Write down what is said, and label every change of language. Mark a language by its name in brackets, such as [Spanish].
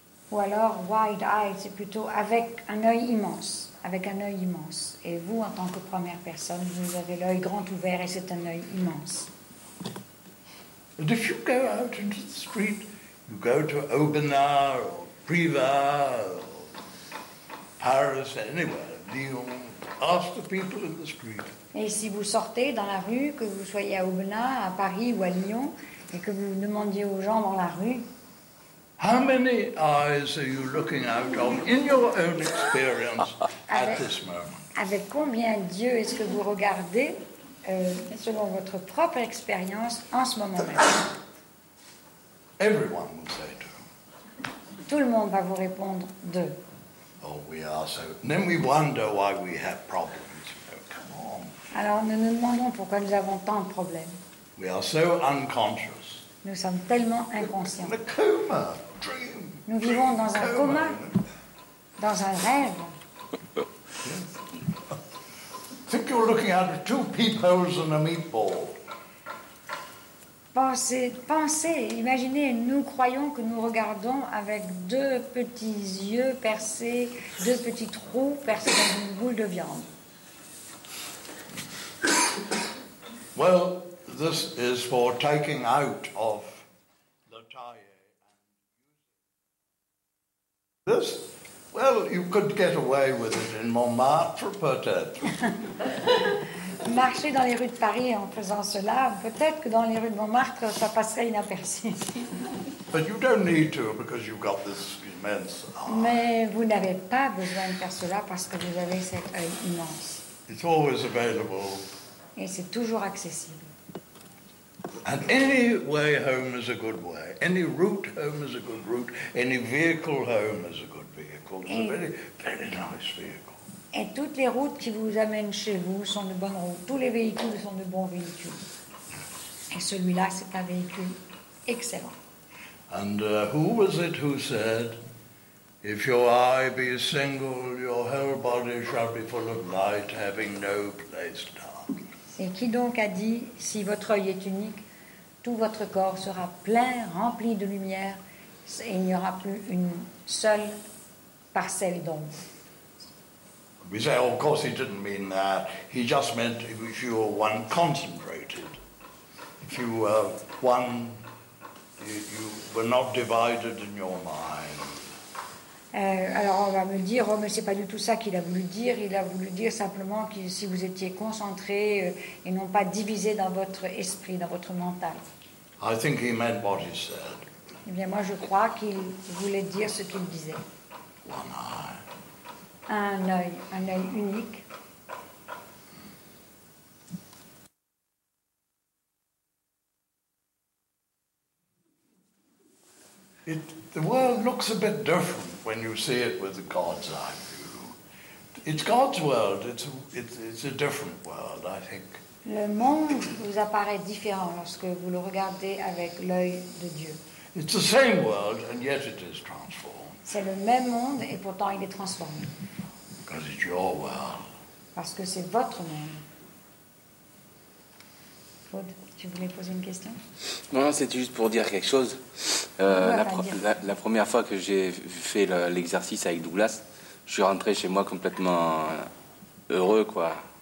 [French] Ou alors, wide-eyed, c'est plutôt avec un œil immense. Avec un œil immense. Et vous, en tant que première personne, vous avez l'œil grand ouvert et c'est un œil immense. [English] And if you go out into the street, you go to Aubenas, or Privas, Paris, anywhere, Lyon, ask the people in the street. [French] Et si vous sortez dans la rue, que vous soyez à Aubenas, à Paris ou à Lyon, et que vous demandiez aux gens dans la rue, [English] how many eyes are you looking out of in your own experience at this moment? [French] Avec combien d'yeux est-ce que vous regardez selon votre propre expérience en ce moment même? [English] Everyone will say two. [French] Tout le monde va vous répondre deux. [English] Oh, we are so. Then we wonder why we have problems. Oh, come on. [French] Alors nous nous demandons pourquoi nous avons tant de problèmes. [English] We are so unconscious. [French] Nous sommes tellement inconscients. [English] In a coma. Dream. [French] Nous vivons dans un coma. Dans un rêve. [English] Think you're looking out of two peepholes and a meatball. [French] Pensez, imaginez, nous croyons que nous regardons avec deux petits yeux percés, deux petits trous percés dans une boule de viande. [English] Well, this is for taking out of the tie. This, well, you could get away with it in Montmartre, peut-être. [French] Marcher dans les rues de Paris en faisant cela, peut-être que dans les rues de Montmartre, ça passerait inaperçu. [English] But you don't need to because you've got this immense eye. [French] Mais vous n'avez pas besoin de faire cela parce que vous avez cet œil immense. [English] It's always available. [French] Et c'est toujours accessible. [English] And any way home is a good way. Any route home is a good route. Any vehicle home is a good vehicle. It's a very, very nice vehicle. [French] Et toutes les routes qui vous amènent chez vous sont de bonnes routes. Tous les véhicules sont de bons véhicules. Et celui-là, c'est un véhicule excellent. [English] And who was it who said, if your eye be single, your whole body shall be full of light, having no place dark. [French] Et qui donc a dit, si votre œil est unique, tout votre corps sera plein, rempli de lumière, et il n'y aura plus une seule parcelle d'ombre. [English] We say, oh, of course, he didn't mean that. He just meant if you were one concentrated, if you were one, you were not divided in your mind. [French] Alors on va me dire, oh, mais c'est pas du tout ça qu'il a voulu dire. Il a voulu dire simplement que si vous étiez concentré et non pas divisé dans votre esprit, dans votre mental. [English] I think he meant what he said. [French] Eh bien, moi, je crois qu'il voulait dire ce qu'il disait. [English] One eye. [French] Un œil unique. [English] The world looks a bit different when you see it with the God's eye view. It's God's world. It's a different world, I think. [French] Le monde vous apparaît différent lorsque vous le regardez avec l'œil de Dieu. [English] It's the same world, and yet it is transformed. [French] C'est le même monde, et pourtant il est transformé. [English] Because it's your world. [French] Parce que c'est votre monde. Aude, tu voulais poser une question? Non, c'était juste pour dire quelque chose. La première fois que j'ai fait l'exercice avec Douglas, je suis rentré chez moi complètement heureux, quoi.